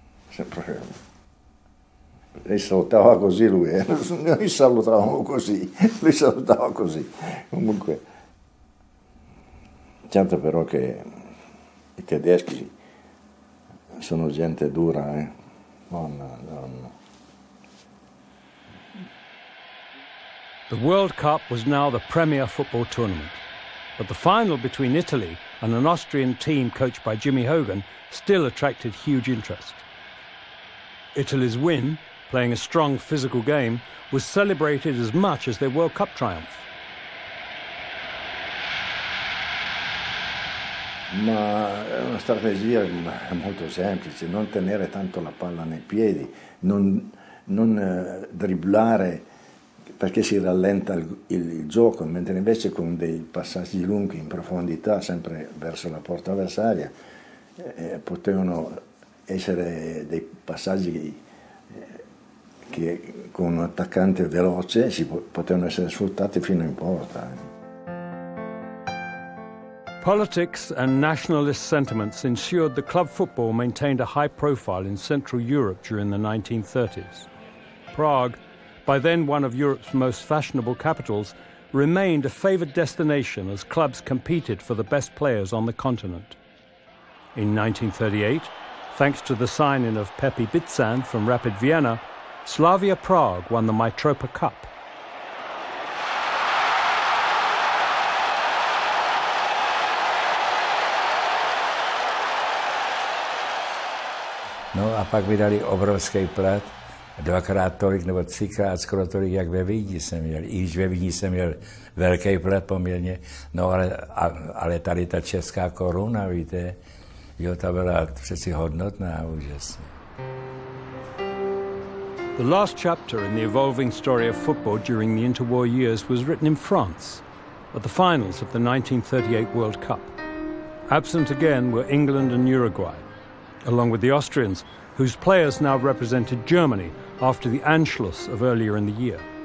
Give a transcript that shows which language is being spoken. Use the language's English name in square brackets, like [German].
[Italian] Sempre. Lei salutava così lui, noi salutavamo così, lui salutava così. Comunque. Certo però che i tedeschi sono gente dura, eh. Nonna, nonna. [English] The World Cup was now the premier football tournament. But the final between Italy and an Austrian team coached by Jimmy Hogan still attracted huge interest. Italy's win, playing a strong physical game, was celebrated as much as their World Cup triumph. [Italian] Ma è una strategia molto semplice, non tenere tanto la palla nei piedi, non dribblare. Perché si rallenta il gioco, mentre invece con dei passaggi lunghi in profondità, sempre verso la porta avversaria, potevano essere dei passaggi che con un attaccante veloce si potevano essere sfruttati fino in porta. [English] Politics and nationalist sentiments ensured the club football maintained a high profile in Central Europe during the 1930s. Prague, by then one of Europe's most fashionable capitals, remained a favoured destination as clubs competed for the best players on the continent. In 1938, thanks to the signing of Pepi Bitzan from Rapid Vienna, Slavia Prague won the Mitropa Cup. [Czech] No a pak mi dali obrovský plat, dvakrát tolik nebo třikrát skoro tolik, jak ve Vídni jsem měl. I když ve Vídni jsem měl velký plat poměrně, no ale tady ta česká koruna, víte, jo, ta byla přeci hodnotná, úžasně. [English] The last chapter in the evolving story of football during the interwar years was written in France, at the finals of the 1938 World Cup. Absent again were England and Uruguay, along with the Austrians, whose players now represented Germany after the Anschluss of earlier in the year.